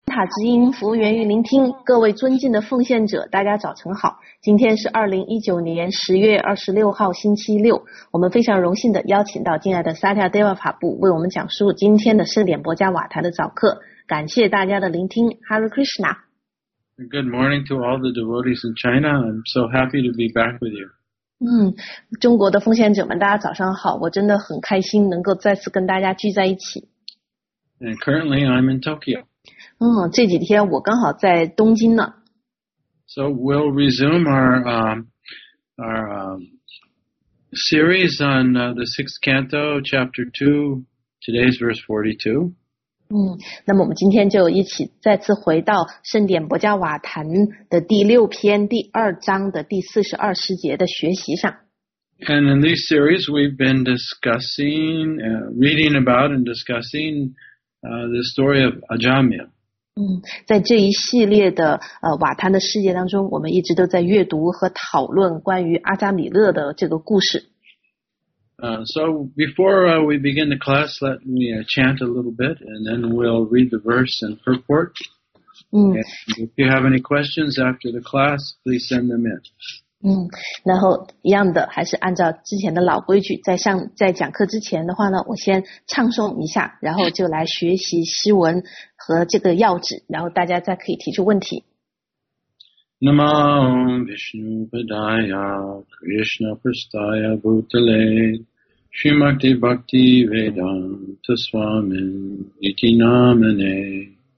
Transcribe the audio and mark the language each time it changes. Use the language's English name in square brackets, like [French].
[Chinese] 塔之音服务员与聆听，各位尊敬的奉献者，大家早晨好。今天是2019年10月26号星期六，我们非常荣幸的邀请到敬爱的萨提亚德瓦法布为我们讲述今天的圣典博加瓦台的早课，感谢大家的聆听。 [Sanskrit] Hare Krishna。 [English] Good morning to all the devotees in China. I'm so happy to be back with you. [Chinese] 中国的奉献者们大家早上好，我真的很开心能够再次跟大家聚在一起。 [English] And currently I'm in Tokyo. [Chinese] 这几天我刚好在东京呢。 [English] So we'll resume our series on the sixth canto, chapter 2, today's verse 42. [Chinese] 那么我们今天就一起再次回到圣典博加瓦坛的第六篇第二章的第42诗节的学习上。 [English] And in this series we've been discussing, reading about and discussing the story of Ajamya. [Chinese] 在这一系列的瓦坛的诗节当中，我们一直都在阅读和讨论关于阿扎米勒的这个故事。 [English] So before we begin the class, let me chant a little bit, and then we'll read the verse and purport. And if you have any questions after the class, please send them in. [Chinese] 然后一样的，还是按照之前的老规矩，在讲课之前的话呢，我先唱诵一下，然后就来学习诗文和这个要旨，然后大家再可以提出问题。 [Sanskrit] Namo Vishnu Padaya Krishna Prastaya Bhutale Srimati Bhakti Vedanta Swami Iti Namane